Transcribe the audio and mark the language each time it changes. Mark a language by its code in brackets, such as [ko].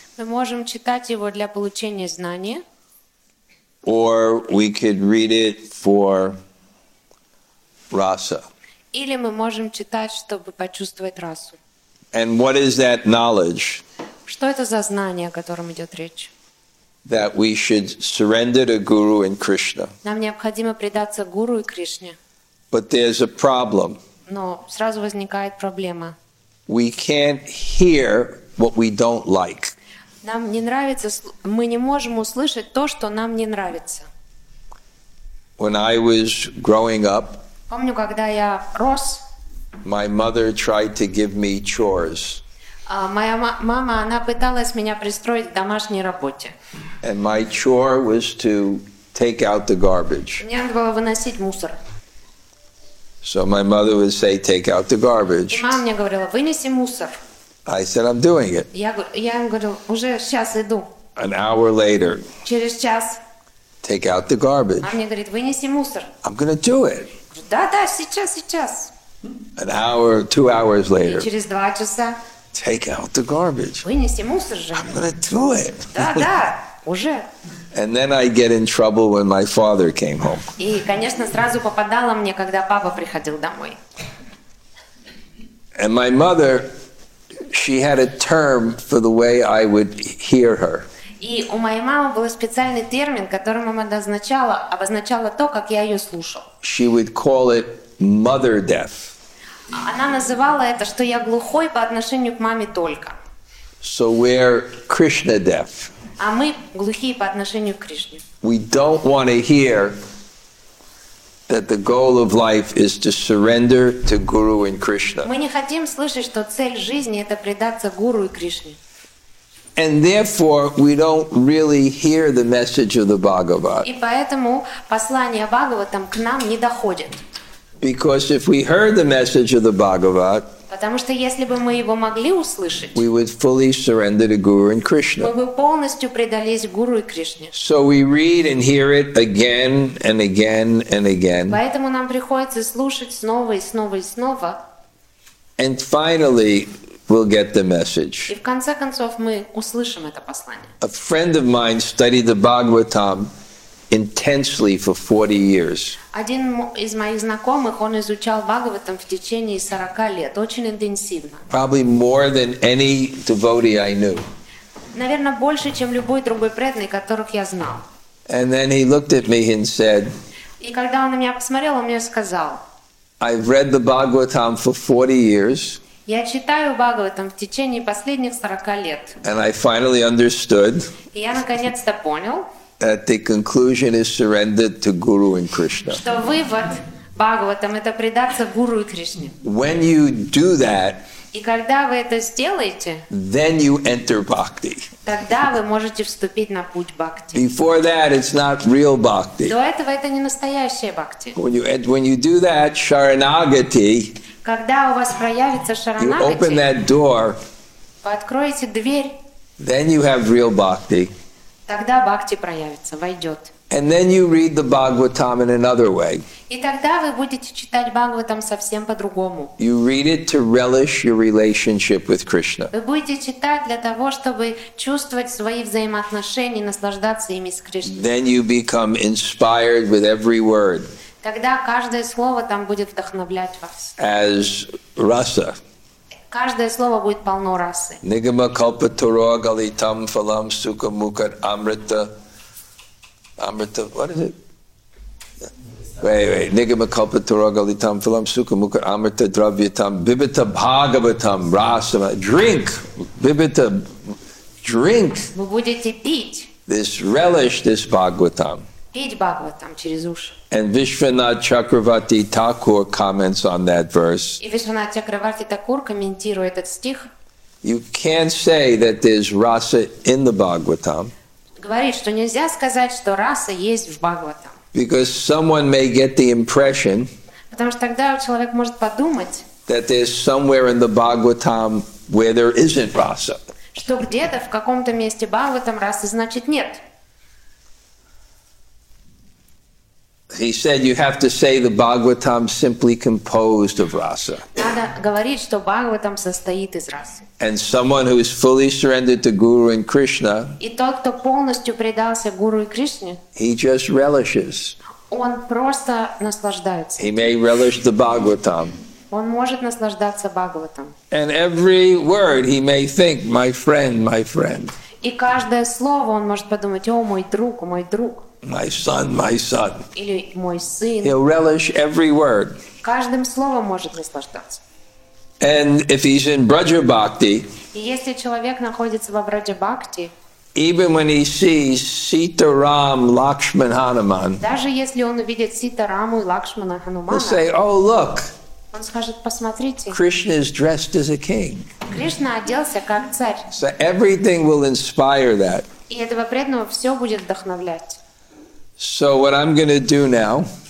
[ru] Мы можем читать его для получения знания. [en] Or we could read it for rasa. [ru] Или мы можем читать, чтобы почувствовать расу. [en] And what is that knowledge? [ru] Что это за знание, о котором идет речь? [en] That we should surrender to Guru and Krishna. [ru] Нам необходимо предаться Гуру и Кришне. [en] But there's a problem. [ru] Но сразу возникает проблема. [en] We can't hear what we don't like. [ru] Нам не нравится, мы не можем услышать то, что нам не нравится. [en] When I was growing up, [ru] помню, когда я рос, [en] my mother tried to give me chores. [ru] Моя мама, она пыталась меня пристроить к домашней работе. [en] And my chore was to take out the garbage. [ru] Мне надо было выносить мусор. [en] So my mother would say, take out the garbage. [ru] И мама мне говорила, вынеси мусор. [en] I said, I'm doing it. [ru] Я им говорю, уже сейчас иду. [en] An hour later. [ru] Через час. [en] Take out the garbage. [ru] А мне говорит, вынеси мусор. [en] I'm going to do it. [ru] Да-да, сейчас, сейчас. [en] An hour, 2 hours later. [ru] И через 2 часа. [en] Take out the garbage. [ru] Вынеси мусор же. [en] I'm going to do it. [ru] Да-да, уже. [en] And then I get in trouble when my father came home. [ru] И, конечно, сразу попадало мне, когда папа приходил домой. [en] And my mother, she had a term for the way I would hear her. [ru] И у моей мамы был специальный термин, которым она обозначала, то, как я ее слушал. [en] She would call it mother deaf. [ru] Она называла это, что я глухой по отношению к маме только. [en] So we're Krishna deaf. [ru] А мы глухие по отношению к Кришне. [en] We don't want to hear that the goal of life is to surrender to Guru and Krishna. [ru] Мы не хотим слышать, что цель жизни это предаться Гуру и Кришне. [en] And therefore, we don't really hear the message of the Bhagavad. [ru] И поэтому послание Бхагаватам к нам не доходит. [en] Because if we heard the message of the Bhagavad, [ru] потому что если бы мы его могли услышать, [en] we would fully surrender to Guru and Krishna. [ru] Мы бы полностью предались Гуру и Кришне. [en] So we read and hear it again and again and again. [ru] Поэтому нам приходится слушать снова и снова и снова. [en] And finally, we'll get the message. [ru] И в конце концов мы услышим это послание. [en] A friend of mine studied the Bhagavatam intensely for 40 years. [ru] Один из моих знакомых, он изучал Бхагаватам в течение 40 лет, очень интенсивно. [en] Probably more than any devotee I knew. [ru] Наверное, больше, чем любой другой преданный, которых я знал. [en] And then he looked at me and said, [ru] и когда он на меня посмотрел, он мне сказал, [en] I've read the Bhagavatam for 40 years. [ru] Я читаю Бхагаватам в течение последних 40 лет. [en] And I finally understood. [ru] И я наконец-то понял. [en] That the conclusion is surrender to Guru and Krishna. [ru] Что вывод Бхагаватам это предаться Гуру и Кришне. [en] When you do that. [ru] И когда вы это сделаете. [en] Then you enter bhakti. [ru] Тогда вы можете вступить на путь бхакти. [en] Before that, it's not real bhakti. [ru] До этого это не настоящая бхакти. [en] When you do that, sharanagati. [ru] Когда у вас проявится шаранагати. [en] You open that door. [ru] Вы откроете дверь. [en] Then you have real bhakti. [ru] Тогда бхакти проявится, войдет. [en] And then you read the Bhagavatam in another way. [ru] И тогда вы будете читать Бхагаватам совсем по-другому. [en] You read it to relish your relationship with Krishna. [ru] Вы будете читать для того, чтобы чувствовать свои взаимоотношения, наслаждаться ими с Кришной. [en] Then you become inspired with every word. [ru] Тогда каждое слово там будет вдохновлять вас. [en] As rasa. [ru] Каждое слово будет полно расы. [sa] Нигама калпатуро галитам фалам сука мукат амрита. [en] Amrita, what is it? Wait. [sa] Nigama kalpatura galitam phalam sukha mukha amrita dravyatam bibita bhagavatam rasama. [en] Drink! Bibita, drink! [ru] Вы будете пить. [en] This relish, this bhagavatam. [ru] Пить bhagavatam через уши. [en] And Vishwanath Chakravarti Thakur comments on that verse. [ru] И Vishwanath Chakravarti Thakur комментирует этот стих. [en] You can't say that there's rasa in the bhagavatam. [ru] Говорит, что нельзя сказать, что раса есть в Бхагаватам. [en] Because someone may get the impression. [ru] Потому что тогда человек может подумать. [en] That there's somewhere in the Bhagavatam where there isn't rasa. [ru] Что где-то в каком-то месте Бхагаватам расы значит нет. [en] He said you have to say the Bhagavatam simply composed of rasa. [ru] Надо говорить, что Бхагаватам состоит из расы. [en] And someone who is fully surrendered to Guru and Krishna. [ru] И тот, кто полностью предался Гуру и Кришне. [en] He just relishes. [ru] Он просто наслаждается. [en] He may relish the Bhagavatam. [ru] Он может наслаждаться Бхагаватам. [en] And every word he may think, my friend, my friend. [ru] И каждое слово он может подумать, о, мой друг, мой друг. [en] My son, my son. [ru] Или мой сын. [en] He'll relish every word. [ru] Каждым словом может наслаждаться. [en] And if he's in Braja Bhakti, [ru] и если человек находится во Браджа Бхакти, [en] even when he sees Sita Ram Lakshman Hanuman, [ru] даже если он увидит Сита Раму и Лакшмана Ханумана, [en] he'll say, oh, look, [ru] он скажет, посмотрите, [en] Krishna is dressed as a king. [ru] Кришна оделся как царь. [en] So everything will inspire that. [ru] И этого преданного все будет вдохновлять. [en] So what I'm going to do now,